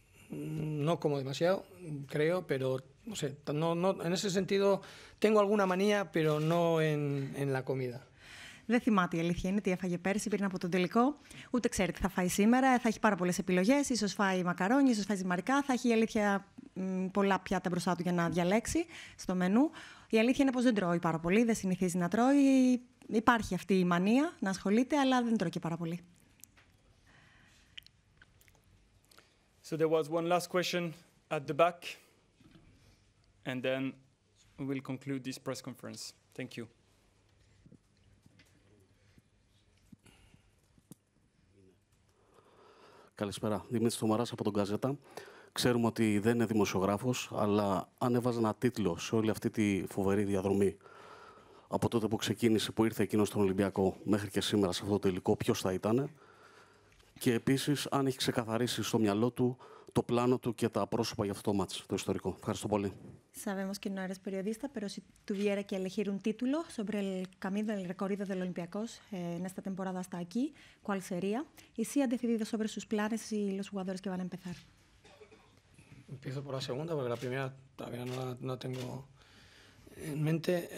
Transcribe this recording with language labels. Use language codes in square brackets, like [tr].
[es] No como demasiado, creo, pero no sé. No, no, en ese sentido, tengo alguna manía, pero no en la comida. [el] Δεν θυμάται η αλήθεια είναι τι έφαγε πέρσι πριν από τον τελικό. Ούτε ξέρει τι θα φάει σήμερα. Θα έχει πάρα πολλές επιλογές. Ίσως φάει μακαρόνια, ίσως φάει ζυμαρικά. Θα έχει η αλήθεια πολλά πιάτα μπροστά του για να διαλέξει στο μενού. Η αλήθεια είναι πως δεν τρώει πάρα πολύ. Δεν συνηθίζει να τρώει. Υπάρχει αυτή η μανία να ασχολείται, αλλά δεν τρώει και πάρα πολύ. [en] So there was one last question at the back. And then we'll conclude this press conference. Thank you. [el] Καλησπέρα. Δημήτρης Θωμαράς από τον Καζέτα. Ξέρουμε ότι δεν είναι δημοσιογράφος, αλλά αν έβαζε ένα τίτλο σε όλη αυτή τη φοβερή διαδρομή από τότε που ξεκίνησε, που ήρθε εκείνος στον Ολυμπιακό μέχρι και σήμερα σε αυτό το τελικό, ποιος θα ήταν. Και επίσης, αν έχει ξεκαθαρίσει στο μυαλό του το πλάνο του και τα πρόσωπα για αυτό το μάτς, το ιστορικό. Ευχαριστώ πολύ. [es] Sabemos que no eres periodista, pero si tuviera que elegir un título sobre el camino, el recorrido del Olympiacos en esta temporada hasta aquí, ¿cuál sería? Y si han decidido sobre sus planes y los jugadores que van a empezar. Empiezo por la segunda, porque la primera todavía no tengo en mente.